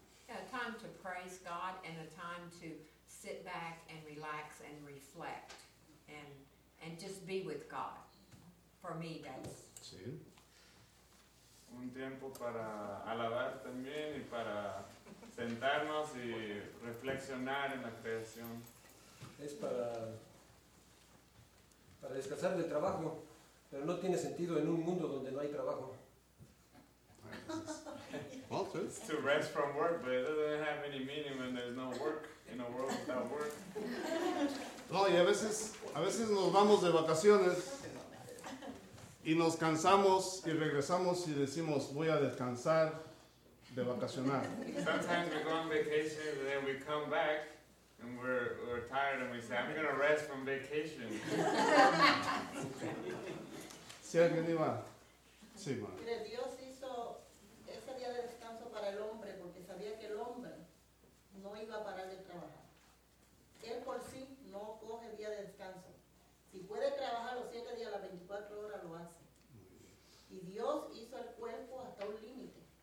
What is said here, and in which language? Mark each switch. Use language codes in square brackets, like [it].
[en] A time to praise God and a time to sit back and relax and reflect and just be with God. For me, that's. [es] Sí. Un tiempo para alabar también y para sentarnos y reflexionar en la creación. Es para descansar del trabajo, pero no tiene sentido en un mundo donde no hay trabajo. [en] It's to rest from work, but it doesn't have any meaning when there's no work in a world without work. [es] No, y a veces nos vamos de vacaciones y nos cansamos y regresamos y decimos, voy a descansar de vacacionar. [en] Sometimes we go on vacation and then we come back and we're tired and we say, I'm going to rest from vacation. [es] ¿Sí, alguien iba? Sí, ma. Mire, Dios hizo ese día de descanso para el hombre porque sabía que el hombre no iba a parar de trabajar. Él por sí no coge día de descanso. Si puede trabajar los 7 días, las 24 horas, lo hace. Y Dios hizo el cuerpo hasta un límite.